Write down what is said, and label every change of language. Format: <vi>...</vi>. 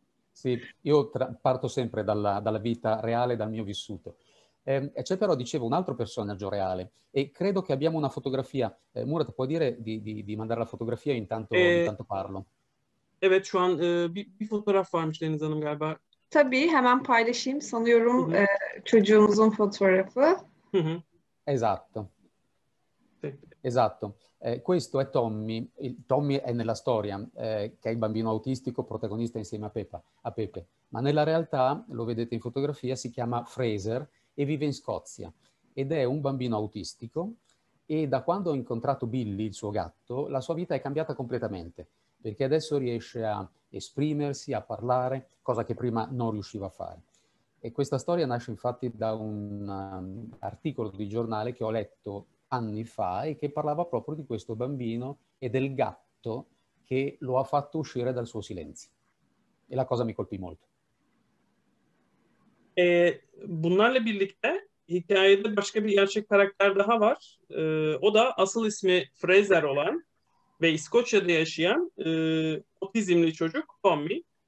<it>Sì, io parto sempre dalla vita reale, dal mio vissuto. C'è però, dicevo, un altro personaggio reale e credo che abbiamo una fotografia. Murat, puoi dire di mandare la fotografia? Intanto parlo.</it> <tr>Evet, şu an bir fotoğraf varmış Deniz Hanım galiba. Tabii hemen paylaşayım. Sanıyorum çocuğumuzun fotoğrafı.</tr> <it>Esatto. Esatto. Questo è Tommy. Tommy è nella storia, che è il bambino autistico protagonista insieme a Pepe. Ma nella realtà, lo vedete in fotografia, si chiama Fraser. E vive in Scozia ed è un bambino autistico. E da quando ha incontrato Billy, il suo gatto, la sua vita è cambiata completamente perché adesso riesce a esprimersi, a parlare, cosa che prima non riusciva a fare. E questa storia nasce infatti da un articolo di giornale che ho letto anni fa e che parlava proprio di questo bambino e del gatto che lo ha fatto uscire dal suo silenzio. E la cosa mi colpì molto.</it> <tr>Bunlarla birlikte hikayede başka bir gerçek karakter daha var. O da asıl ismi Fraser olan ve İskoçya'da yaşayan otizmli çocuk Tommy.</tr>